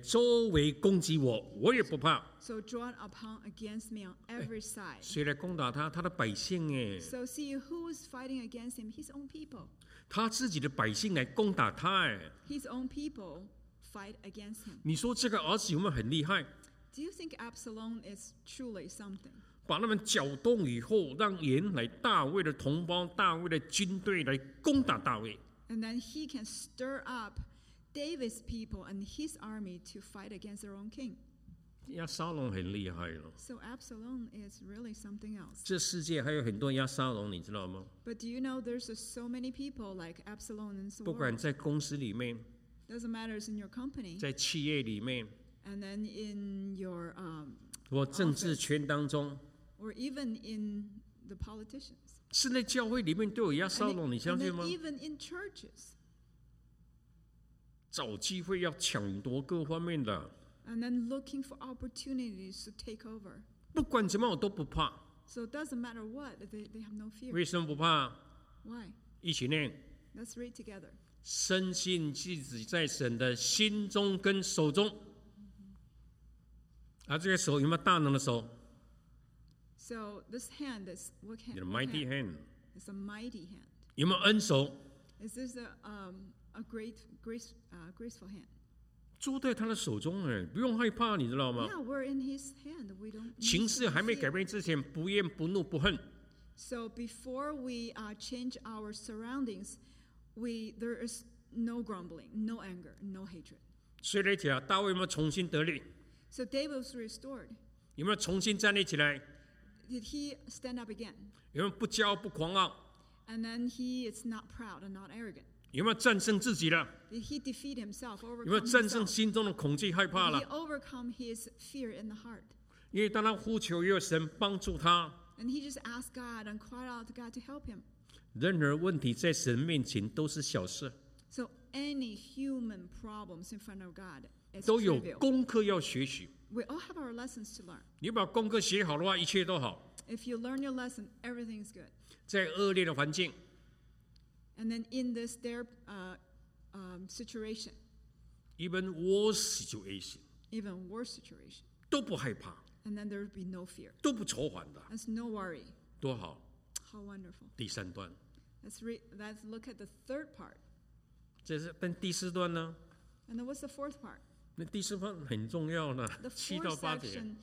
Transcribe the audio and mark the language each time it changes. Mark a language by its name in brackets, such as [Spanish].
[Chinese] 来周围攻击我，我也不怕。 [English] So drawn upon against me on every side. [Chinese] 谁来攻打他？他的百姓耶。 [English] So see who is fighting against him? His own people. [Chinese] 他自己的百姓来攻打他耶。 [English] His own people fight against him. [Chinese] 你说这个儿子有没有很厉害？ [English] Do you think Absalom is truly something? [Chinese] 把他们搅动以后，让原来大卫的同胞、大卫的军队来攻打大卫。 [English] And then he can stir up David's people and his army to fight against their own king. [Chinese] 亚沙龙很厉害了。 [English] So Absalom is really something else. [Chinese] 这世界还有很多亚沙龙，你知道吗？ [English] But do you know there's so many people like Absalom in the world? [Chinese] 不管在公司里面， [English] doesn't matter in your company. [Chinese] 在企业里面， [English] and then in your [Chinese] 或政治圈当中， [English] or even in the politicians. [Chinese] 是在教会里面都有亚沙龙，你相信吗？ [English] Even in churches. [Chinese] 找机会要抢夺各方面的。 [English] And then looking for opportunities to take over. [Chinese] 不管怎么我都不怕。 [English] So it doesn't matter what, they have no fear. [Chinese] 为什么不怕？ [English] Why? [Chinese] 一起念。 [English] Let's read together. [Chinese] 深信自己在神的心中跟手中。啊，这个手有没有大能的手？ [English] So this hand is what hand? Your mighty hand. It's a mighty hand. [Chinese] 有没有恩手？ [English] Is this a great graceful hand? [Chinese] 住在他的手中，哎，不用害怕，你知道吗？ [English] Yeah, we're in his hand. We don't. [Chinese] 情势还没改变之前，不厌不怒不恨。 [English] So before we change our surroundings, there is no grumbling, no anger, no hatred. [Chinese] 所以来讲，大卫有没有重新得力？ [English] So David was restored. [Chinese] 有没有重新站立起来？ [English] Did he stand up again? [Chinese] 有没有不骄傲不狂傲？ [English] And then he is not proud and not arrogant. [Chinese] 有没有战胜自己了？ [English] Did he defeat himself? [Chinese] 有没有战胜心中的恐惧害怕了？ [English] Did he overcome his fear in the heart? [Chinese] 因为当他呼求有神帮助他。 [English] And he just asked God and cried out to God to help him. [Chinese] 任何问题在神面前都是小事。 [English] So any human problems in front of God, [Chinese] 都有功课要学习。 [English] We all have our lessons to learn. [Chinese] 你把功课学好的话，一切都好。 [English] If you learn your lesson, everything is good. [Chinese] 在恶劣的环境。 [English] And then in this their situation. Even worse situation. Even worse situation. [Chinese] 都不害怕。 [English] And then there will be no fear. [Chinese] 都不愁烦的。 [English] There's no worry. [Chinese] 多好。 [English] How wonderful. [Chinese] 第三段。 [English] Let's look at the third part. [Chinese] 这是但第四段呢？ [English] And then what's the fourth part? [Chinese] 那第四段很重要呢，七到八节。